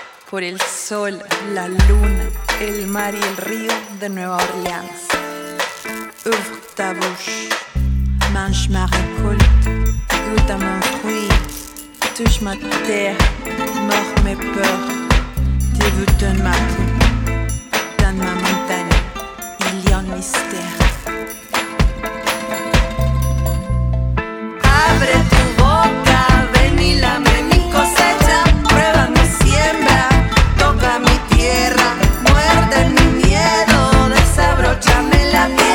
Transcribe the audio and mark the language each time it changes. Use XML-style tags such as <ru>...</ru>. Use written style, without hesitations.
<es>por el sol, la luna, el mar y el río de Nueva Orleans.</es> <fr>Ouvre ta bouche, mange ma récolte, goûte à mon fruit, touche ma terre, mord mes peurs, dévoutonne ma peau, donne ma montagne, il y a un mystère.</fr> <es>Abre tu boca, ven y lame mi cosecha, prueba mi siembra, toca mi tierra, muerde mi miedo, desabróchame la piel.</es>